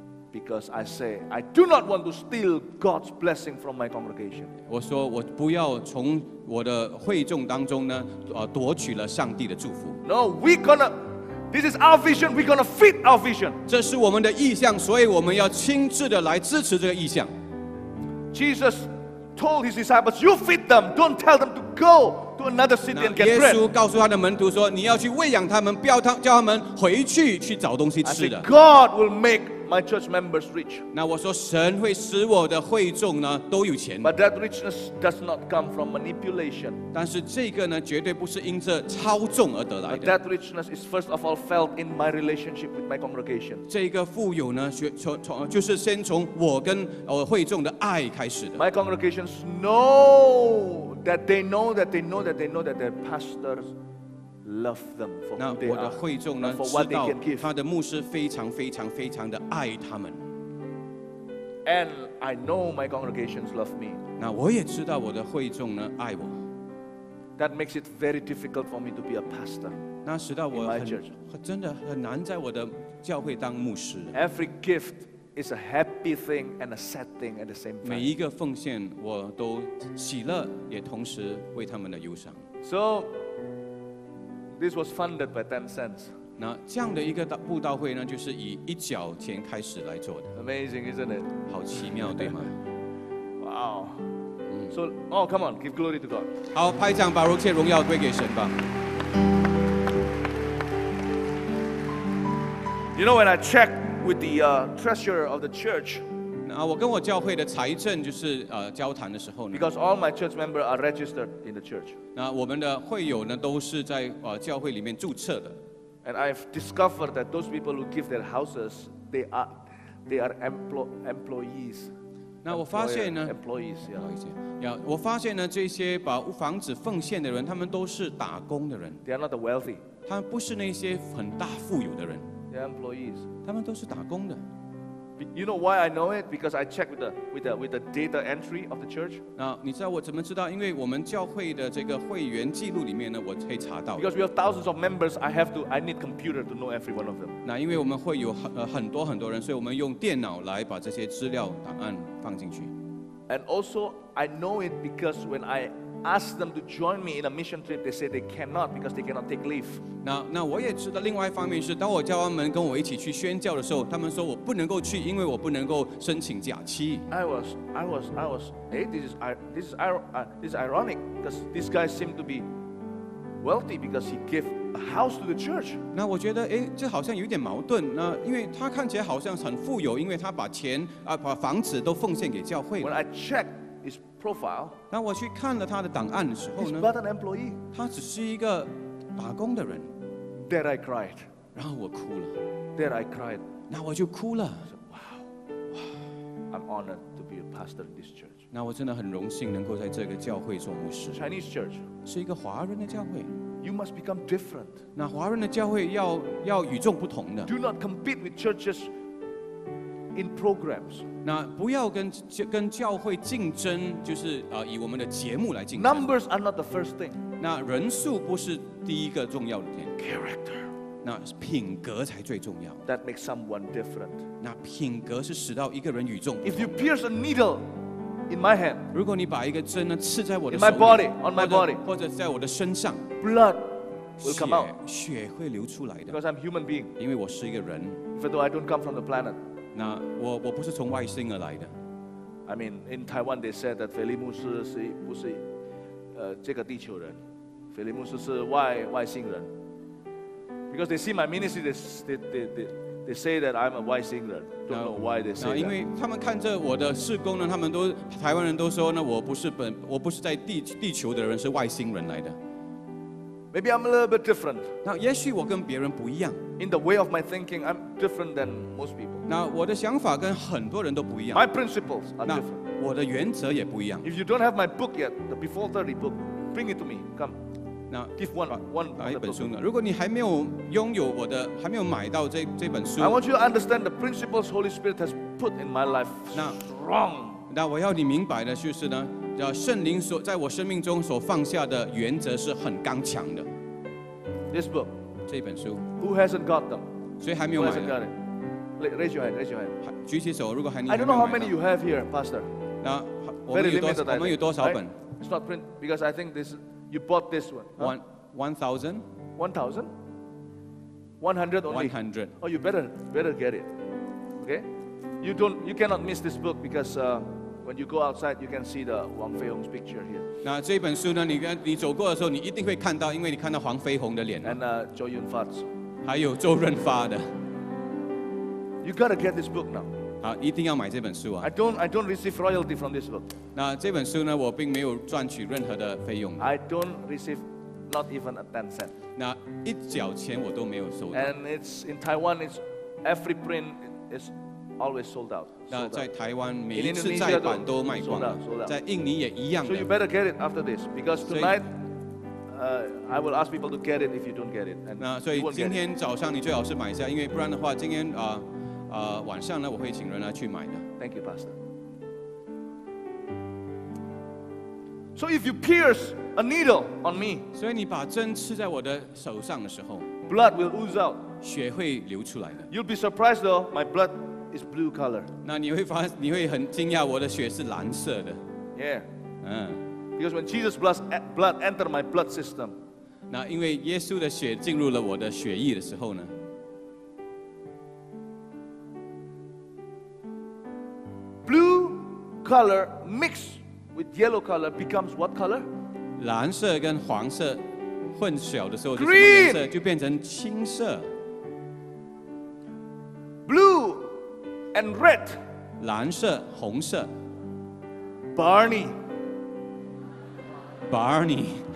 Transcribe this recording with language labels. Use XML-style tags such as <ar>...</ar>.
<en>Because I say I do not want to steal God's blessing from my congregation.</en> <zh>我说我不要从我的会众当中呢，夺取了上帝的祝福。</zh> <en>No, this is our vision. We're gonna fit our vision.</en> <zh>这是我们的意向，所以我们要亲自的来支持这个意向。</zh> <en>Jesus told his disciples, "You feed them. Don't tell them to go to another city and get bread."</en> <zh>耶稣告诉他的门徒说，你要去喂养他们，不要叫他们回去去找东西吃的。</zh> <en>God will make my church members rich.</en> <zh>那我说神会使我的会众呢都有钱。</zh> <en>But that richness does not come from manipulation.</en> <zh>但是这个呢绝对不是因着操纵而得来的。</zh> <en>But that richness is first of all felt in my relationship with my congregation.</en> <zh>这个富有呢就是先从我跟我会众的爱开始的。</zh> <en>My congregations know that their pastors love them for who they are.</en> <zh>那我的会众呢知道他的牧师非常非常非常的爱他们。</zh> <en>And I know my congregations love me.</en> <zh>那我也知道我的会众呢爱我。</zh> <en>That makes it very difficult for me to be a pastor.</en> <zh>那使得我真的很难在我的教会当牧师。</zh> <en>Every gift is a happy thing and a sad thing at the same time.</en> <zh>每一个奉献我都喜乐，也同时为他们的忧伤。</zh> <en>So,This was funded by 10 cents.</en> <zh>那这样的一个布道会呢，就是以一角钱开始来做的。</zh> <en>Amazing, isn't it?</en> <zh>好奇妙，对吗</zh> <en>？Wow. So, oh, come on, give glory to God.</en> <zh>好，拍掌，把一切荣耀归给神吧。</zh> <en>You know, when I check with the treasurer of the church.</en> <zh>那我跟我教会的财政就是交谈的时候呢。</zh> <en>Because all my church members are registered in the church.</en> <zh>那我们的会友呢都是在教会里面注册的。</zh> <en>And I've discovered that those people who give their houses, they are employees.</en> <zh>那我发现呢</zh> <en>employees, yeah.</en> <zh>不好意思。</zh> <en>Yeah,</en> <zh>我发现呢这些把房子奉献的人，他们都是打工的人。</zh> <en>They are not the wealthy.</en> <zh>他们不是那些很大富有的人。</zh> <en>They're employees.</en> <zh>他们都是打工的。</zh> <en>You know why I know it? Because I checked with the data entry of the church.</en> <zh>那你知道我怎么知道？因为我们教会的这个会员记录里面呢，我可以查到。</zh> <en>Because we have thousands of members, I need computer to know every one of them.</en> <zh>那因为我们会有很多很多人，所以我们用电脑来把这些资料档案放进去。</zh> <en>And also, I know it because when I ask them to join me in a mission trip, they say they cannot because they cannot take leave.</en> <zh>那我也知道，另外一方面是，当我叫他们跟我一起去宣教的时候，他们说我不能够去，因为我不能够申请假期。</zh> <en>I was. Hey, this is ironic because this guy seemed to be wealthy because he gave a house to the church.</en> <zh>那我觉得，哎，这好像有点矛盾。那因为他看起来好像很富有，因为他把钱啊，把房子都奉献给教会。</zh> <en>When I checked his profile,</en> <zh>那我去看了他的档案的时候呢</zh> <en>，he's but an employee.</en> <zh>他只是一个打工的人。</zh> <en>Then I cried.</en> <zh>然后我哭了。</zh> <en>Then I cried.</en> <zh>那我就哭了。</zh> <en>I'm honored to be a pastor in this church.</en> <zh>那我真的很荣幸能够在这个教会做牧师。</zh> <en>Chinese church.</en> <zh>是一个华人的教会。</zh> <en>You must become different.</en> <zh>那华人的教会要与众不同的。</zh> <en>Do not compete with churches in programs.</en> <zh>那不要跟教会竞争，就是以我们的节目来竞争。</zh> <en>Numbers are not the first thing.</en> <zh>那人数不是第一个重要的点。</zh> <en>Character.</en> <zh>那品格才最重要。</zh> <en>That makes someone different.</en> <zh>那品格是使到一个人与众不同。</zh> <en>If you pierce a needle in my hand,</en> <zh>如果你把一个针呢刺在我的手</zh> <en>in my body, on my body,</en> <zh>或者在我的身上。</zh> <en>Blood will come out.</en> <zh>血会流出来的。</zh> <en>Because I'm human being.</en> <zh>因为我是一个人。</zh> <en>Even though I don't come from the planet.</en> <zh>那我不是从外星而来的。</zh> <en>I mean, in Taiwan they said that</en> <zh>菲利牧师是不是这个地球人？菲利牧师是外星人。</zh> <en>Because they see my ministry, they say that I'm a</en> <zh>外星人。</zh> <en>Don't know why they say that.</en> <zh>因为他们看着我的事工呢，他们都台湾人都说呢，我不是在地球的人，是外星人来的。</zh> <en>Maybe I'm a little bit different.</en> <zh>那也许我跟别人不一样。</zh> <en>In the way of my thinking, I'm different than most people.</en> <zh>那我的想法跟很多人都不一样。</zh> <en>My principles are different.</en> <zh>我的原则也不一样。</zh> <en>If you don't have my book yet, the Before 30 book, bring it to me. Come. Now, give one of the books.</en> <zh>如果你还没有拥有我的，还没有买到这本书。</zh> <en>I want you to understand the principles Holy Spirit has put in my life strong.</en> <zh>那我要你明白的就是呢，叫圣灵所在我生命中所放下的原则是很刚强的。</zh> <en>This book,</en> <zh>这本书。</zh> <en>Who hasn't got them?</en> <zh>谁还没有买呢</zh> <en>？Who hasn't got it? Raise your hand.</en> <zh>举起手，如果还你。</zh> <en>I don't know how many you have here, Pastor.</en> <zh>那我们有多少本</zh> <en>right? ？It's not print because I think this you bought this one.、Huh? One thousand. 1,000. 100 only. 100. Oh, you better get it. Okay, you cannot miss this book because. When you go outside, you can see the Huang Feihong's picture here.</en> <zh>那这本书呢？你走过的时候，你一定会看到，因为你看到黄飞鸿的脸。</zh> <en>And Zhou Yunfa's.</en> <zh>还有周润发的。</zh> <en>You gotta get this book now.</en> <zh>好，一定要买这本书啊。</zh> <en>I don't receive royalty from this book.</en> <zh>那这本书呢？我并没有赚取任何的费用。</zh> <en>I don't receive not even a 10 cent.</en> <zh>那一角钱我都没有收到。</zh> <en>And it's in Taiwan. It's every print is. Always sold out.</en> <zh>那在台湾每一次再版都卖光了，在印尼也一样。</zh> <en>So you better get it after this, because tonight, I will ask people to get it if you don't get it.</en> <zh>那所以今天早上你最好是买一下，因为不然的话，今天晚上呢，我会请人来去买的。</zh> <en>Thank you, Pastor. So if you pierce a needle on me,</en> <zh>所以你把针刺在我的手上的时候</zh> <en>，blood will ooze out.</en> <zh>血会流出来的。</zh> <en>You'll be surprised, though, my blood. It's blue color.</en> <zh>那你会很惊讶，我的血是蓝色的。</zh> <en>Yeah. Because when Jesus' blood entered my blood system.</en> <zh>那因为耶稣的血进入了我的血液的时候呢</zh> <en>？Blue color mixed with yellow color becomes what color?</en> <zh>蓝色跟黄色混淆的时候，就什么颜色？就变成青色。</zh> <en>Blue. And red,</en> <zh>蓝色、红色</zh> <en>Barney. Barney.</en>